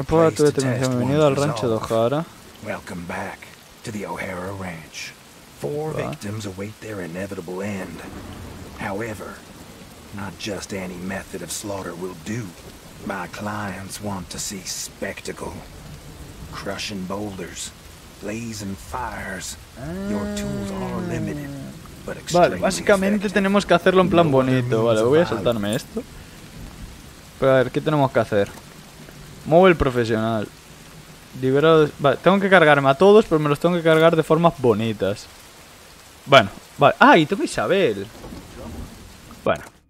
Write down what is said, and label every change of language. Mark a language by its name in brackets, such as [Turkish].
[Spanish] tu determinación, bienvenido al rancho de O'Hara. [English] Welcome back to the O'Hara Ranch. Four victims await their inevitable end. However, not just any method of slaughter will do. My clients want to see spectacle. Crushing boulders, blazing fires. Your tools are limited, but extremely effective. [Spanish] Vale, básicamente tenemos que hacerlo en plan bonito. Vale, voy a saltarme esto. Pero a ver, ¿qué tenemos que hacer? Móvil profesional. Liberado. Vale, tengo que cargarme a todos, pero me los tengo que cargar de formas bonitas. Bueno, vale. ¡Ah! Y tengo Isabel. Bueno.